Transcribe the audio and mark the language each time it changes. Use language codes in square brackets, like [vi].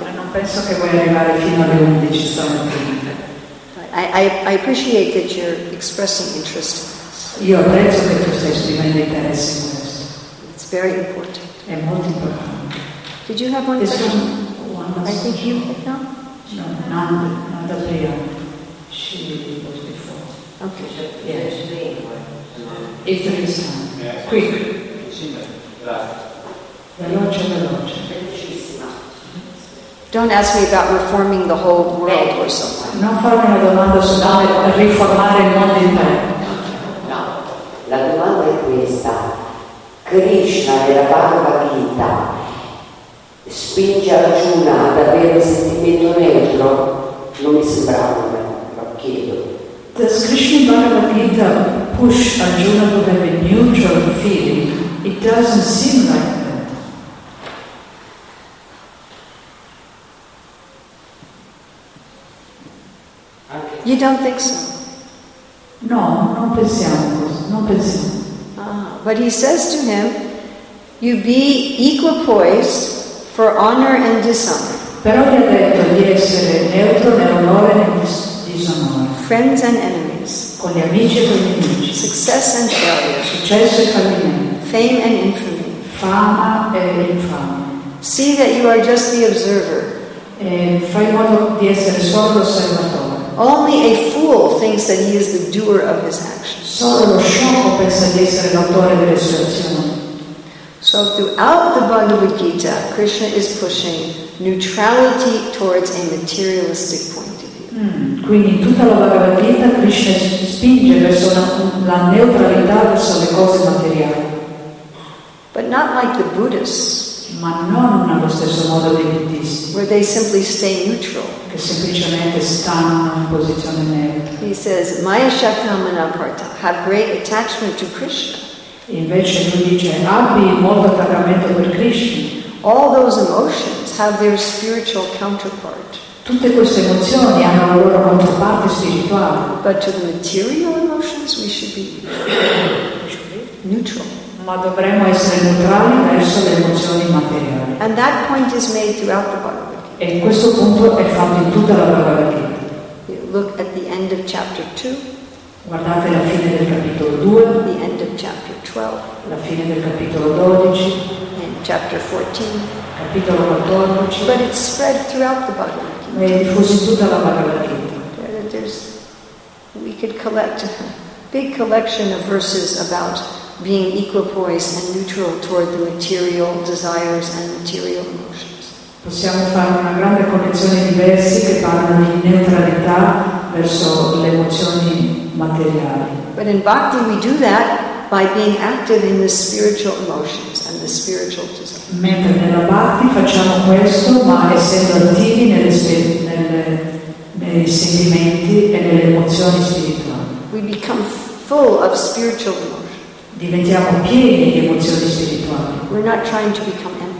[it] E non penso che vuoi arrivare fino alle 11 stamattina. [en] I appreciate that you're expressing interest in this. [it] Io apprezzo che tu stai esprimendo interesse in [en] questo. It's very important. [it] È molto importante. [en] Did you have one question? I think you have no? No, not the prayer. She was before. Okay. Yes. If there is time. Yes. Quick. [it] Veloce, veloce. [en] Don't ask me about reforming the whole world or something. [it] Non farmi una domanda su come riformare il mondo intero. No. La domanda è questa. Krishna della Bhagavad Gita spinge Arjuna ad avere un sentimento neutro, non mi sembrava, ma chiedo. [en] Does Krishna Bhagavad Gita push Arjuna to have a neutral feeling? It doesn't seem like that. You don't think so? [it] No, non pensiamo così, non pensiamo. [en] But he says to him, you be equipoised for honor and dishonor. [it] Però gli ha detto di essere neutro nell'onore e disonore. [en] Friends and enemies. [it] Con gli amici e con gli nemici. [en] Success and failure. [it] Successo e fallimento. [en] Fame and infamy. [it] Fama e infamia. [en] See that you are just the observer. [it] E fai modo di essere solo l'osservatore. [en] Only a fool thinks that he is the doer of his actions. [it] Solo lo sciocco pensa di essere l'autore delle sue azioni. [en] So throughout the Bhagavad Gita, Krishna is pushing neutrality towards a materialistic point of view. [it] Quindi in tutta la Bhagavad Gita Krishna spinge verso la neutralità verso le cose materiali. [en] But not like the Buddhists. [it] Ma non nello stesso modo dei buddhisti. [en] Where they simply stay neutral. [it] Che semplicemente stanno in posizione neutra. [en] He says, Maya Shaktamana Parta, have great attachment to Krishna. [it] Invece lui dice, abbi molto attaccamento per Krishna. [en] All those emotions have their spiritual counterpart. [it] Tutte queste emozioni hanno la loro controparte spirituale. [en] But to the material emotions we should be neutral. [it] Ma dovremmo essere neutrali verso le emozioni materiali. [en] And that point is made throughout the Bible. [it] E questo punto è fatto in tutta la Bhagavad Gita. [en] You look at the end of chapter 2. [it] Guardate la fine del capitolo 2. [en] The end of chapter 12. [it] La fine del capitolo 12. [en] And chapter 14. [it] Capitolo 14. [en] But it's spread throughout the Bhagavad Gita. [it] È diffuso in tutta la Bhagavad Gita. [en] We could collect a big collection of verses about being equipoised and neutral toward the material desires and material emotions. [it] Possiamo fare una grande collezione di versi che parlano di neutralità verso le emozioni materiali. [en] But in bhakti we do that by being active in the spiritual emotions and the spiritual desires. [it] Mentre nella bhakti facciamo questo, ma essendo attivi nei sentimenti e nelle emozioni spirituali. [en] We become full of spiritual emotions. [it] Diventiamo pieni di emozioni spirituali. [en] We're not trying to become.